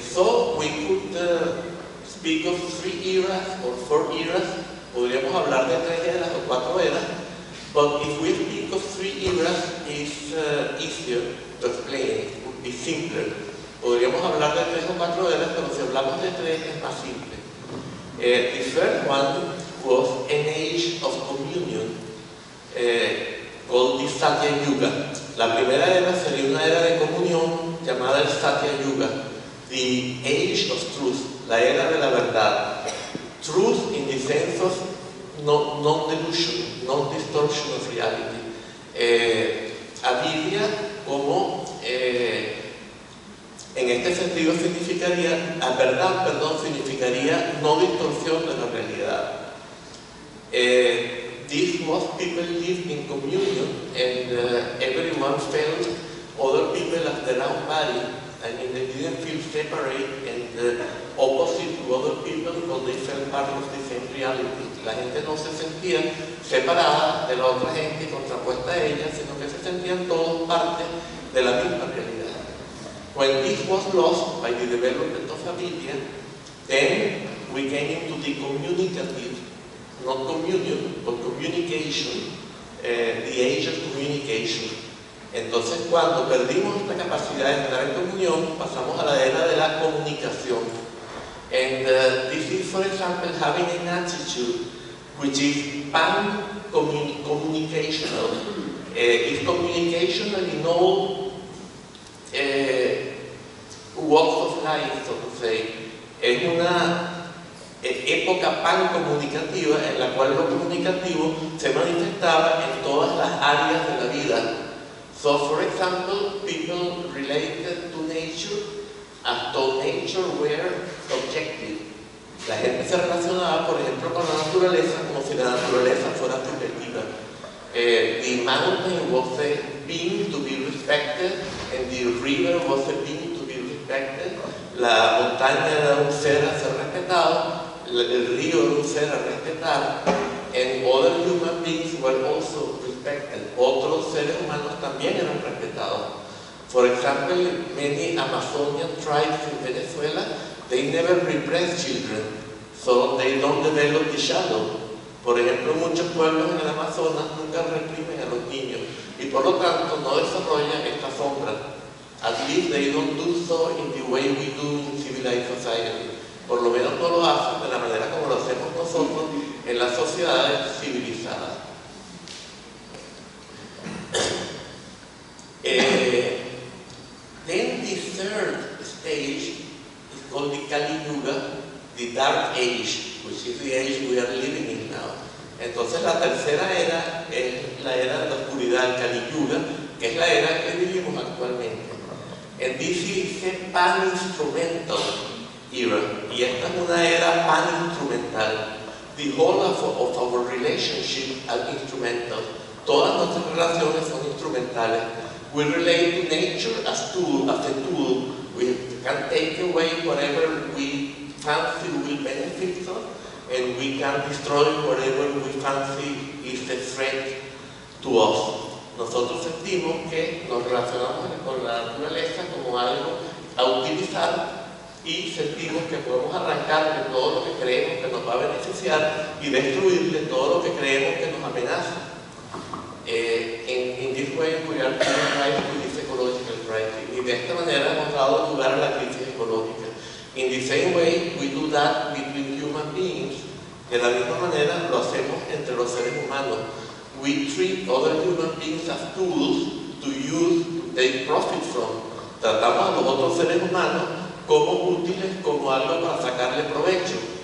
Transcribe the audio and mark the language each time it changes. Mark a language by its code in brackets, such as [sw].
[en] So we could speak of three eras or four eras. [es] Podríamos hablar de tres eras o cuatro eras, [en] but if we speak of three eras, it's easier to explain, it would be simpler. [es] Podríamos hablar de tres o cuatro eras, pero si hablamos de tres, es más simple. [en] The first one was an age of communion, called the Satya Yuga. [es] La primera era sería una era de comunión llamada el Satya Yuga, [en] the age of truth, [es] la era de la verdad. [en] Truth in the sense of non-delusion, non-distortion of reality. [es] Avidya como, en este sentido significaría, a verdad, perdón, significaría no distorsión de la realidad. [en] These most people live in communion and everyone felt other people as their own body. I mean, they didn't feel separate and opposite to other people because they felt part of the same reality. [es] La gente no se sentía separada de la otra gente y contrapuesta a ella, sino que se sentían todos parte de la misma realidad. [en] When this was lost by the development of avidya, then we came into the communicative, not communion, but communication, the age of communication. [es] Entonces, cuando perdimos la capacidad de entrar en comunión, pasamos a la era de la comunicación. [en] And this is, for example, having an attitude which is pan-communicational. It's communicational in all walks of life, so to say. [es] Es una época pan-comunicativa en la cual lo comunicativo se manifestaba en todas las áreas de la vida. [en] So, for example, people related to nature as though nature were subjective. [es] La gente se relacionaba, por ejemplo, con la naturaleza como si la naturaleza fuera subjetiva. [en] The mountain was a being to be respected, and the river was a being to be respected. [es] La montaña era un ser a ser respetado, el río era un ser a respetar, [en] and other human beings were also respected. [es] Otros seres humanos también eran respetados. [en] For example, many Amazonian tribes in Venezuela, they never repress children, so they don't develop the shadow. [es] Por ejemplo, muchos pueblos en el Amazonas nunca reprimen a los niños y por lo tanto no desarrollan esta sombra. [en] At least they don't do so in the way we do in civilized society. [es] Por lo menos no lo hacen de la manera como lo hacemos nosotros en las sociedades civilizadas. [en] Then the third stage is called the Kali Yuga, the Dark Age, which is the age we are living in now. [es] Entonces la tercera era es la era de la oscuridad, Kali Yuga, que es la era que vivimos actualmente. [en] And this is a pan-instrumental era, [es] y esta es una era pan-instrumental. [en] The whole of our relationship are instrumental. [es] Todas nuestras relaciones son instrumentales. [en] We relate to nature as tool, as a tool. We can take away whatever we fancy will benefit us, and we can destroy whatever we fancy is a threat to us. [es] Nosotros sentimos que nos relacionamos con la naturaleza como algo a utilizar y sentimos que podemos arrancarle todo lo que creemos que nos va a beneficiar y destruirle todo lo que creemos que nos amenaza. [en] In this way, we are being right with this ecological crisis. [es] Y de esta manera hemos dado lugar a la crisis ecológica. [en] In the same way, we do that between human beings. [es] De la misma manera, lo hacemos entre los seres humanos. [en] We treat other human beings as tools to use, to take profit from. [es] Tratamos a los otros seres humanos como útiles, como algo para sacarle provecho.